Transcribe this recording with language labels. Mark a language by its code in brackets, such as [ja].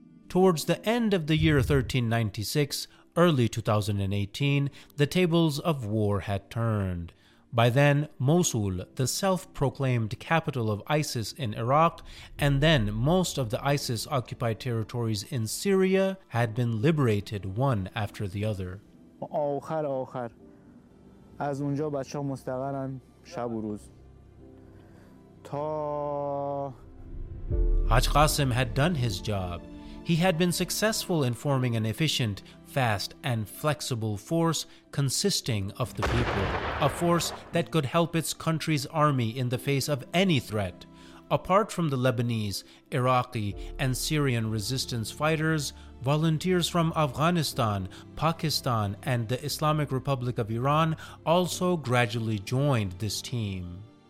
[en] Towards the end of the year 1396, early 2018, the tables of war had turned. By then, Mosul, the self-proclaimed capital of ISIS in Iraq, and then most of the ISIS-occupied territories in Syria, had been liberated one after the other. [fa] آخر از اونجا بچه ها مستقرن شب و روز تا [en] Haj Qasim had done his job. He had been successful in forming an efficient, fast, and flexible force consisting of the people. A force that could help its country's army in the face of any threat. Apart from the Lebanese, Iraqi, and Syrian resistance fighters, volunteers from Afghanistan, Pakistan, and the Islamic Republic of Iran also gradually joined this team.